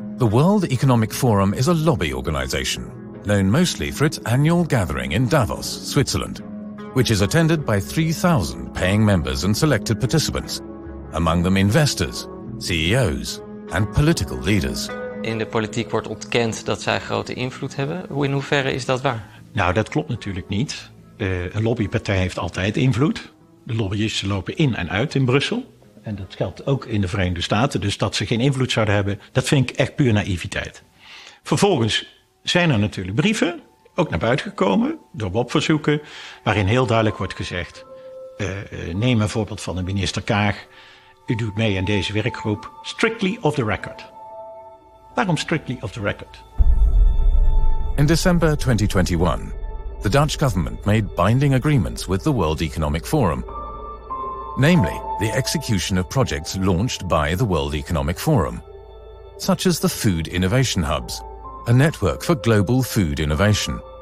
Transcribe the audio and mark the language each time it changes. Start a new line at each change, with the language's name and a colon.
English: The World Economic Forum is a lobby organization, known mostly for its annual gathering in Davos, Switzerland, which is attended by 3,000 paying members and selected participants, among them investors, CEOs and political leaders.
Dutch: In de politiek wordt ontkend dat zij grote invloed hebben. In hoeverre is dat waar? Nou, dat klopt natuurlijk niet. Een lobbypartij heeft altijd invloed. De lobbyisten lopen in en uit in Brussel. En dat geldt ook in de Verenigde Staten. Dus dat ze geen invloed zouden hebben, dat vind ik echt puur naïviteit. Vervolgens zijn er natuurlijk brieven, ook naar buiten gekomen, door WOP-verzoeken, waarin heel duidelijk wordt gezegd, neem een voorbeeld van de minister Kaag. U doet mee aan deze werkgroep,
English: strictly off the record.
Dutch: Waarom
English: strictly off the record? In december 2021, the Dutch government made binding agreements with the World Economic Forum, namely, the execution of projects launched by the World Economic Forum, such as the Food Innovation Hubs, a network for global food innovation.